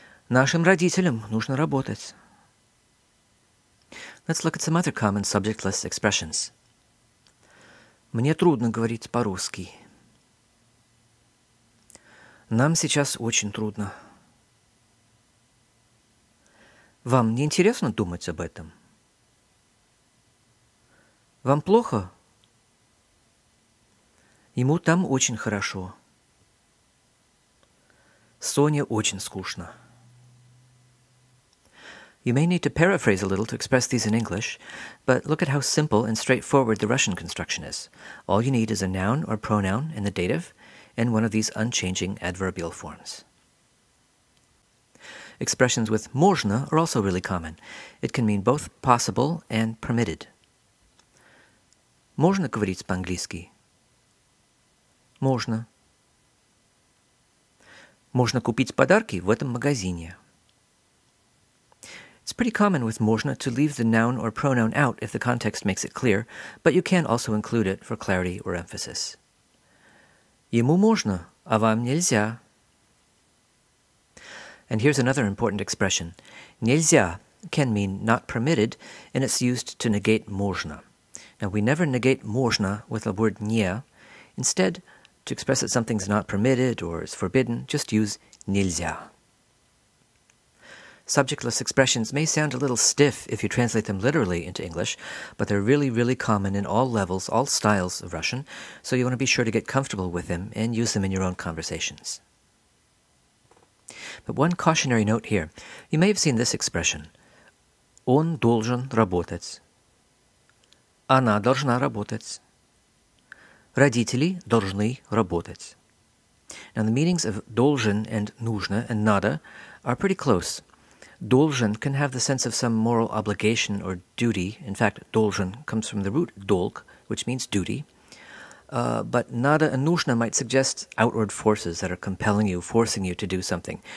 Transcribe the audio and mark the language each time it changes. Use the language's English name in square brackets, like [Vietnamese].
[Russian] Нашим родителям нужно работать. [English] Let's look at some other common subjectless expressions. [Russian] Мне трудно говорить по-русски. Нам сейчас очень трудно. Вам не интересно думать об этом? Вам плохо? Ему там очень хорошо. Соне очень скучно. [English] You may need to paraphrase a little to express these in English, but look at how simple and straightforward the Russian construction is. All you need is a noun or pronoun in the dative and one of these unchanging adverbial forms. Expressions with можно are also really common. It can mean both possible and permitted. [Russian] Можно говорить по-английски? Можно. Можно купить подарки в этом магазине? [English] It's pretty common with можно to leave the noun or pronoun out if the context makes it clear, but you can also include it for clarity or emphasis. [Russian] Ему можно, а вам нельзя. [English] And here's another important expression. Нельзя can mean not permitted, and it's used to negate можно. Now, we never negate можно with the word не. Instead, to express that something's not permitted or is forbidden, just use нельзя. Subjectless expressions may sound a little stiff if you translate them literally into English, but they're really, really common in all levels, all styles of Russian, so you want to be sure to get comfortable with them and use them in your own conversations. But one cautionary note here. You may have seen this expression. [Russian] Он должен работать. Она должна работать. Родители должны работать. [English] Now the meanings of должен and нужно and надо are pretty close. Должен can have the sense of some moral obligation or duty. In fact, должен comes from the root долг, which means duty. But надо and нужно might suggest outward forces that are compelling you, forcing you to do something.